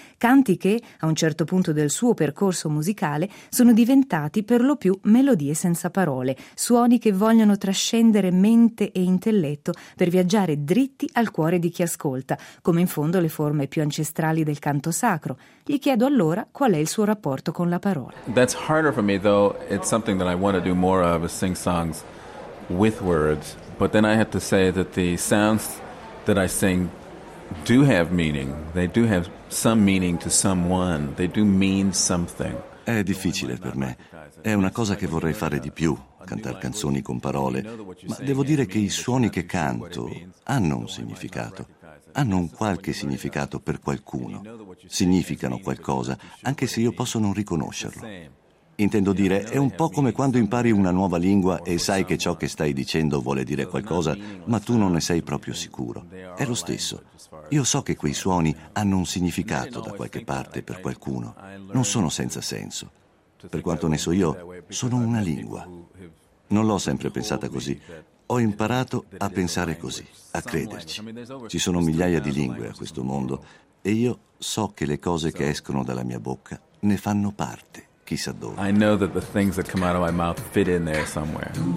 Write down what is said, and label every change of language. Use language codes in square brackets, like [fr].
[it] Canti che, a un certo punto del suo percorso musicale, sono diventati per lo più melodie senza parole, suoni che vogliono trascendere mente e intelletto per viaggiare dritti al cuore di chi ascolta, come in fondo le forme più ancestrali del canto sacro. Gli chiedo allora qual è il suo rapporto con la parola. [en] That's harder for me, though. It's something that I want to do more of, sing songs with words, but then I have to say that the sounds that I sing do have meaning. They do have some meaning to someone. They do mean something. [it] È difficile per me. È una cosa che vorrei fare di più, cantare canzoni con parole, ma devo dire che i suoni che canto hanno un significato. Hanno un qualche significato per qualcuno. Significano qualcosa, anche se io posso non riconoscerlo. Intendo dire, è un po' come quando impari una nuova lingua e sai che ciò che stai dicendo vuole dire qualcosa, ma tu non ne sei proprio sicuro. È lo stesso. Io so che quei suoni hanno un significato da qualche parte per qualcuno. Non sono senza senso. Per quanto ne so io, sono una lingua. Non l'ho sempre pensata così. Ho imparato a pensare così, a crederci. Ci sono migliaia di lingue a questo mondo e io so che le cose che escono dalla mia bocca ne fanno parte. Chissà dove. [en] I know that the things that come out of my mouth fit in there somewhere.